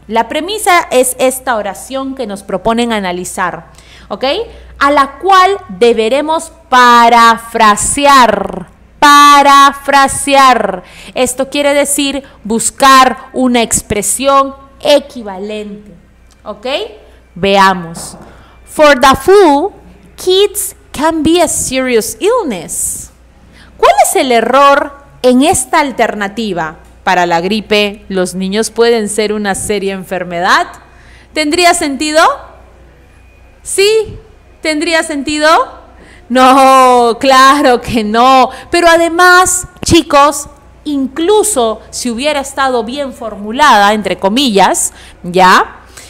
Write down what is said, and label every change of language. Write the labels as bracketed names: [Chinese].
[Spanish] La premisa es esta oración que nos proponen analizar, ¿ok? A la cual deberemos parafrasear. Parafrasear. Esto quiere decir buscar una expresión equivalente, ¿ok? Veamos. [English] For the flu, kids can be a serious illness. [Spanish] ¿Cuál es el error en esta alternativa? Para la gripe, los niños pueden ser una seria enfermedad. ¿Tendría sentido? Sí, tendría sentido. No, claro que no. Pero además, chicos, incluso si hubiera estado bien formulada, entre comillas, ¿ya?